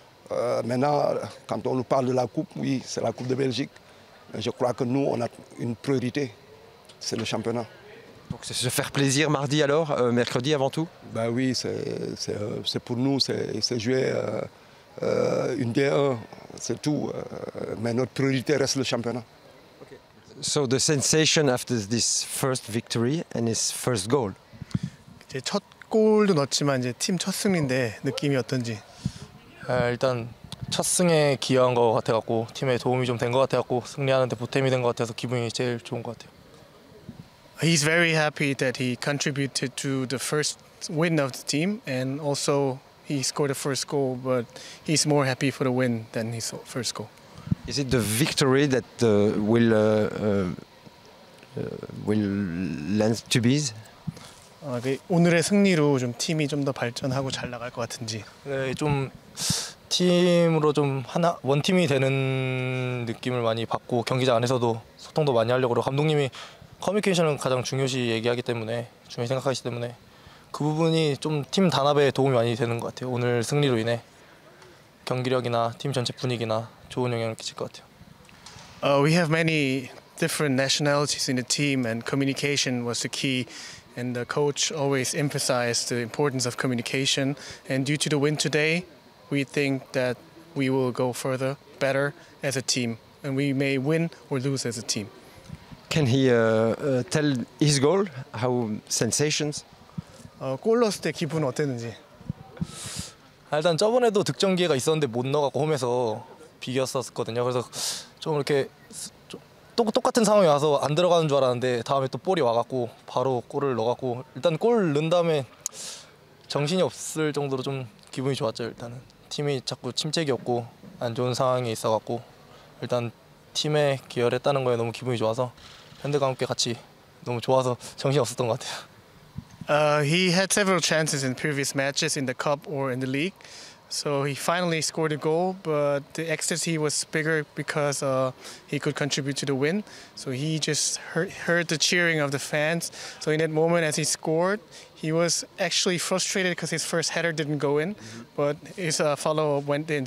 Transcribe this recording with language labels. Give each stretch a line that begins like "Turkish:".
French: Maintenant, quand on nous parle de la Coupe, oui, c'est la Coupe de Belgique. Mais je crois que nous, on a une priorité, c'est le championnat. Donc c'est se faire plaisir mardi alors, mercredi avant tout? Ben oui, c'est pour nous, c'est jouer une D1, c'est tout. Mais notre priorité reste le championnat.
English: So the sensation after this first victory and his first goal?
Korean: 이제 첫 골도 넣었지만 이제 팀 첫 승리인데 느낌이 어떤지? 일단 첫 승에 기여한 것 같아서 팀에 도움이 좀 된 것 같아서 승리하는 데 보탬이 된 것 같아서 기분이 제일 좋은 것 같아요.
English: He's very happy that he contributed to the first win of the team and also he scored the first goal, but he's more happy for the win than his first goal. Is it the victory that will lend to bees?
Korean: 오늘의 승리로 좀 팀이 좀 더 발전하고 잘 나갈 것 같은지. 네, 좀 팀으로 좀 하나 원팀이 되는 느낌을 많이 받고 경기장 안에서도 소통도 많이 하려고 감독님이 커뮤니케이션은 가장 중요시 얘기하기 때문에 중요히 생각하시기 때문에 그 부분이 좀 팀 단합에 도움이 많이 되는 것 같아요. 오늘 승리로 인해 경기력이나 팀 전체 분위기나 좋은 영향을 끼칠 것 같아요.
English: We have many different nationalities in the team and communication was the key. And the coach always emphasized the importance of communication. And due to the win today, we think that we will go further, better as a team. And we may win or lose as a team. Can he tell his goal? How sensations?
Korean: 골 넣었을 때 기분 어땠는지? 일단 저번에도 득점 기회가 있었는데 못 넣어갖고 홈에서 비겼었거든요. 그래서 좀 이렇게 똑같은 상황이 와서 안 들어가는 줄 알았는데 다음에 또 볼이 와갖고 바로 골을 넣어갖고 일단 골 넣은 다음에 정신이 없을 정도로 좀 기분이 좋았죠 일단은 팀이 자꾸 침체기 없고 안 좋은 상황에 있어갖고 일단 팀에 기여했다는 거에 너무 기분이 좋아서 팬들과 함께 같이 너무 좋아서 정신이 없었던 것 같아요.
English: He had several chances in previous matches in the cup or in the league. So he finally scored a goal, but the ecstasy was bigger because he could contribute to the win. So he just heard the cheering of the fans. So in that moment as he scored, he was actually frustrated because his first header didn't go in, but his follow-up went in.